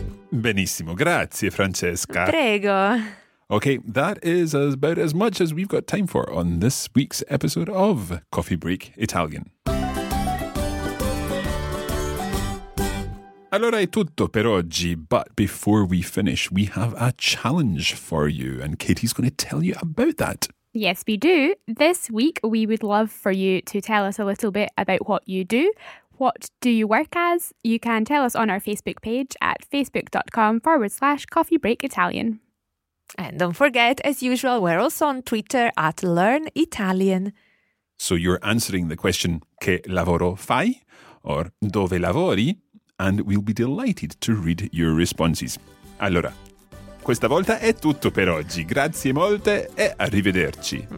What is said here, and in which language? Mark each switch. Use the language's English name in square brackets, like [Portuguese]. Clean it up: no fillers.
[Italian] Benissimo, grazie Francesca. Prego. [English] Okay, that is about as much as we've got time for on this week's episode of Coffee Break Italian. [Italian] Allora è tutto per oggi, [English] but before we finish, we have a challenge for you and Katie's going to tell you about that. Yes, we do. This week, we would love for you to tell us a little bit about what you do. What do you work as? You can tell us on our Facebook page at facebook.com/coffeebreakitalian. And don't forget, as usual, we're also on Twitter at Learn Italian. So you're answering the question, [Italian] che lavoro fai? [English] Or [Italian] dove lavori? [English] And we'll be delighted to read your responses. [Italian] Allora, questa volta è tutto per oggi. Grazie molte e arrivederci.